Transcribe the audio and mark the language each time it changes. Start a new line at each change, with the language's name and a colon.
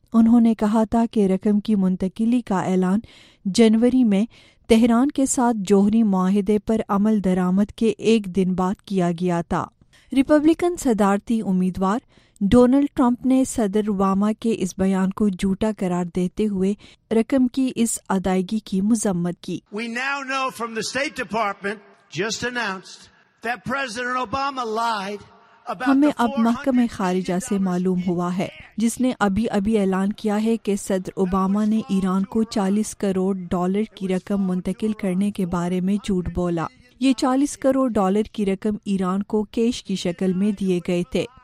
Urdu: انہوں نے کہا تھا کہ رقم کی منتقلی کا اعلان جنوری میں تہران کے ساتھ جوہری معاہدے پر عمل درآمد کے ایک دن بعد کیا گیا تھا. ریپبلکن صدارتی امیدوار ڈونلڈ ٹرمپ نے صدر اوباما کے اس بیان کو جھوٹا قرار دیتے ہوئے رقم کی اس ادائیگی کی مذمت کی.
English: We now know from the State Department just announced that President Obama lied.
Urdu: ہمیں اب محکمہ خارجہ سے معلوم ہوا ہے جس نے ابھی اعلان کیا ہے کہ صدر اوباما نے ایران کو $40 کروڑ کی رقم منتقل کرنے کے بارے میں جھوٹ بولا. یہ $40 کروڑ کی رقم ایران کو کیش کی شکل میں دیے گئے تھے.